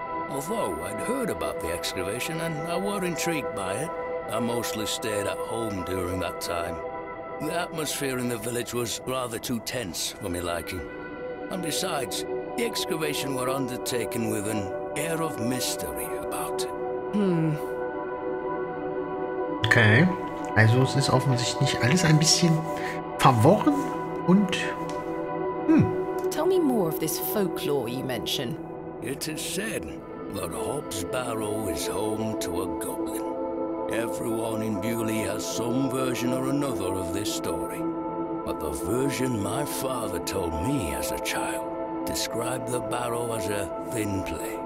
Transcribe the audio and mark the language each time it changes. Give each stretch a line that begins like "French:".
English: Although I'd heard about the excavation and I were intrigued by it. I mostly stayed at home during that time. The atmosphere in the village was rather too tense for my liking. And besides, the excavation were undertaken with an air of mystery about it. Okay.
German: Also es ist offensichtlich alles ein bisschen verworren und...
English: Tell me more of this folklore you mention. It is said that Hobbs Barrow is home to a goblin. Everyone in Bewley has some version or another of this story. But the version my father told me as a child described the barrow as a thin place.